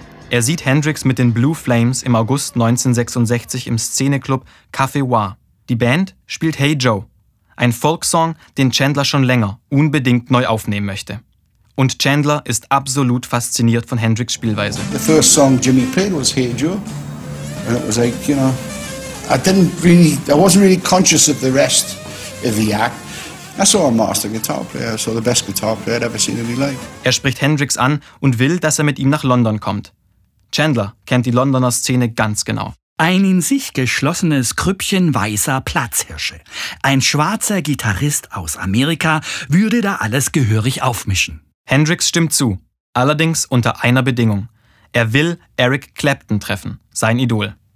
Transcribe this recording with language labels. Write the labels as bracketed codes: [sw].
[de] Er sieht Hendrix mit den Blue Flames im August 1966 im Szeneclub Café Wah. Die Band spielt Hey Joe, ein Folksong, den Chandler schon länger unbedingt neu aufnehmen möchte. Und Chandler ist absolut fasziniert von Hendrix' Spielweise. [en] The first song Jimmy played was Hey Joe. And it was like, you know, I wasn't really conscious of the rest of the act. I saw a master guitar player, I saw the best guitar player I'd ever seen in my life. [de] Er spricht Hendrix an und will, dass er mit ihm nach London kommt. Chandler kennt die Londoner Szene ganz genau. Ein in sich geschlossenes Krüppchen weißer Platzhirsche. Ein schwarzer Gitarrist aus Amerika würde da alles gehörig aufmischen. Hendrix stimmt zu, allerdings unter einer Bedingung. Er will Eric Clapton treffen, sein Idol.